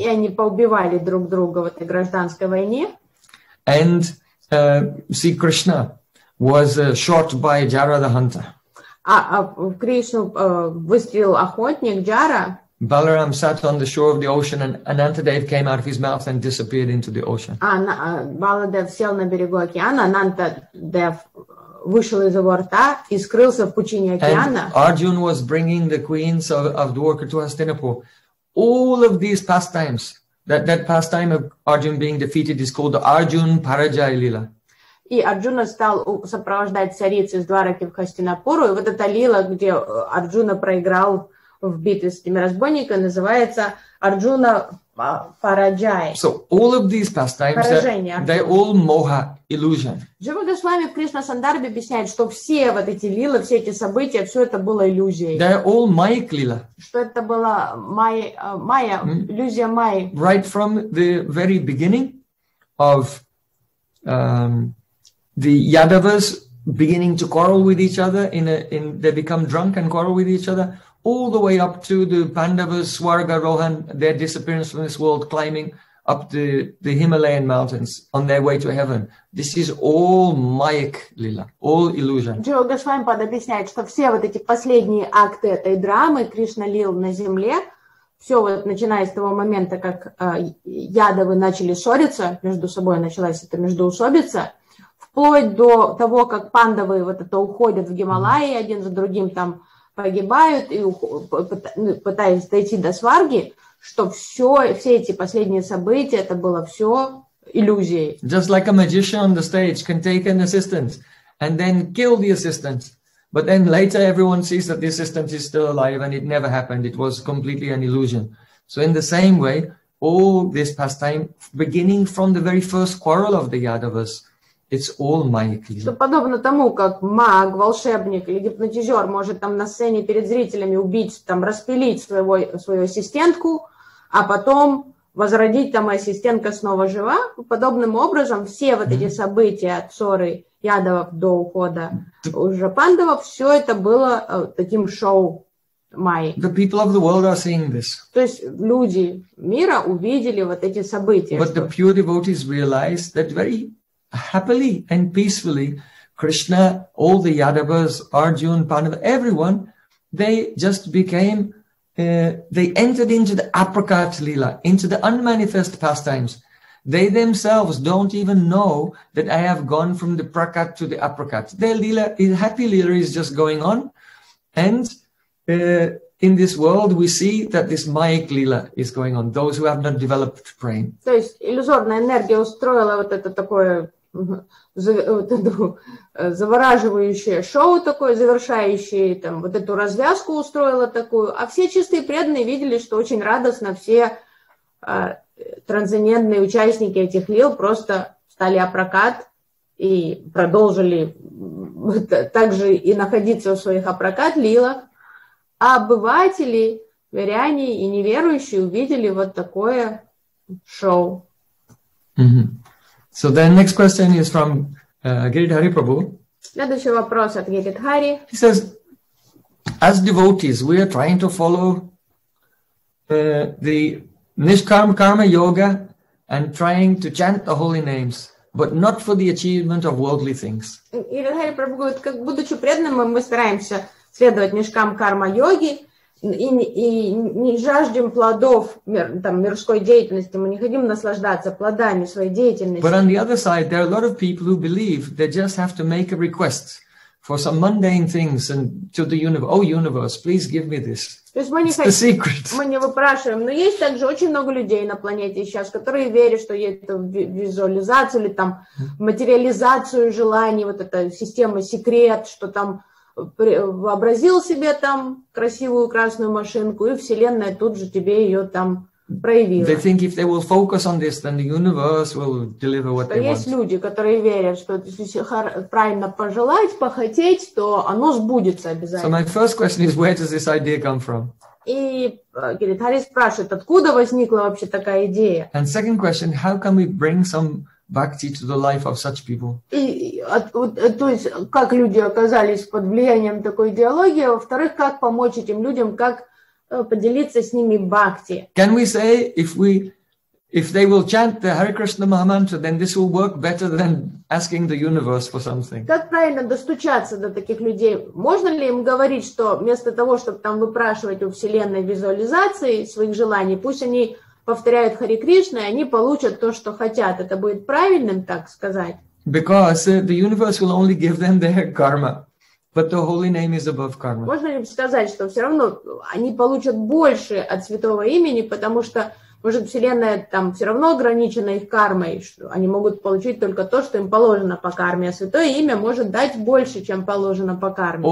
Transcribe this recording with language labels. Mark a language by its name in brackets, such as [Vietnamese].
[Russian] И они поубивали друг друга в этой гражданской войне. [English] And see, Krishna was shot by Jara the hunter. [Russian] А в Кришну выстрелил охотник Джара. [English] Balaram sat on the shore of the ocean, and Anantadev came out of his mouth and disappeared into the ocean. [Russian] Баладев сел на берегу океана, Анантадев вышел из его рта и скрылся в пучине океана. [English] And Arjun was bringing the queens of Dwarka to Hastinapur. All of these pastimes, that pastime of Arjun being defeated is called the Arjun Parajay Lila. [Russian] И Арджуна стал сопровождать цариц из Двараки в Хастинапуру, и вот эта лила, где Арджуна проиграл в битве с этими разбойниками, называется Арджуна Параджай. [English] So all of these pastimes, they all moha, illusion. [Russian] Джива Госвами в Кришна Сандарбе объясняет, что все вот эти лилы, все эти события, все это было иллюзией. [English] They are all майк лила. [Russian] Что это была майя, иллюзия майи. [English] Right from the very beginning of the Yadavas beginning to quarrel with each other, they become drunk and quarrel with each other, all the way up to the Pandavas, Swarga, Rohan, their disappearance from this world, climbing up the Himalayan mountains on their way to heaven. This is all Mayak Lila, all illusion. [Russian] Джива Госвами подобъясняет, что все вот эти последние акты этой драмы Кришна лил на земле, все вот начиная с того момента, как Ядавы начали ссориться между собой, началась эта междоусобица, вплоть до того, как пандавы вот это уходят в Гималайи, один за другим там погибают, и пытаясь дойти до сварги, что все эти последние события, это было все иллюзией. [English] Just like a magician on the stage can take an assistant and then kill the assistant. But then later everyone sees that the assistant is still alive and it never happened. It was completely an illusion. So in the same way, all this pastime, beginning from the very first quarrel of the Yadavas, it's all Mayak Lila. [Russian] Что подобно тому, как маг, волшебник или гипнотизер может там на сцене перед зрителями убить, там распилить свою ассистентку, а потом возродить там ассистентка снова жива. Подобным образом все вот эти события от ссоры Ядавов до ухода уже пандавов, все это было таким шоу Майи. [English] The people of the world are seeing this. [Russian] То есть люди мира увидели вот эти события. [English] But the pure devotees realize that very happily and peacefully, Krishna, all the Yadavas, Arjun, Pandava, everyone, they just became, they entered into the apricot lila, into the unmanifest pastimes. They themselves don't even know that I have gone from the prakat to the apricot. Their lila, happy lila is just going on. And in this world, we see that this mayik lila is going on, those who have not developed prem. [Russian] То есть иллюзорная энергия устроила вот это такое завораживающее шоу такое, завершающее, там, вот эту развязку устроило такую, а все чистые преданные видели, что очень радостно все трансцендентные участники этих лил просто стали апракат и продолжили так же и находиться в своих апракат лилах, а обыватели, веряне и неверующие увидели вот такое шоу. [English] So then next question is from Giridhari Prabhu. [Russian] Следующий вопрос от Giridhari. [English] He says, as devotees, we are trying to follow the Nishkam Karma Yoga and trying to chant the holy names, but not for the achievement of worldly things. [Russian] Giridhari Prabhu говорит, как будучи преданным, мы стараемся следовать Нишкам Карма Йоги, и не жаждем плодов там мирской деятельности, мы не хотим наслаждаться плодами своей деятельности. [English] But on the other side, there are a lot of people who believe they just have to make a request for some mundane things and to the universe. Oh, universe, please give me this. It's the secret. [Russian] Мы не выпрашиваем, но есть также очень много людей на планете сейчас, которые верят, что есть визуализацию или там материализацию желаний, вот эта система секрет, что там вообразил себе там красивую красную машинку, и Вселенная тут же тебе ее там проявила. [English] They think if they will focus on this, then the universe will deliver what they want. [Russian] Есть люди, которые верят, что если правильно пожелать, похотеть, то оно сбудется обязательно. [English] So my first question is, where does this idea come from? [Russian] И Гиритари спрашивает, откуда возникла вообще такая идея? [English] And second question, how can we bring some bhakti to the life of such people? [Russian] То есть, как люди оказались под влиянием такой идеологии, во-вторых, как помочь этим людям, как поделиться с ними бхакти. [English] Can we say if they will chant the Hare Krishna Maha Mantra, then this will work better than asking the universe for something? [Russian] Как правильно достучаться до таких людей? Можно ли им говорить, что вместо того, чтобы там выпрашивать у Вселенной визуализации своих желаний, пусть они повторяют Хари Кришна, и они получат то, что хотят. Это будет правильным, так сказать? [English] Because the universe will only give them their karma. But the holy name is above karma. [Russian] Можно ли сказать, что все равно они получат больше от святого имени, потому что, может, Вселенная там все равно ограничена их кармой, что они могут получить только то, что им положено по карме, а святое имя может дать больше, чем положено по карме.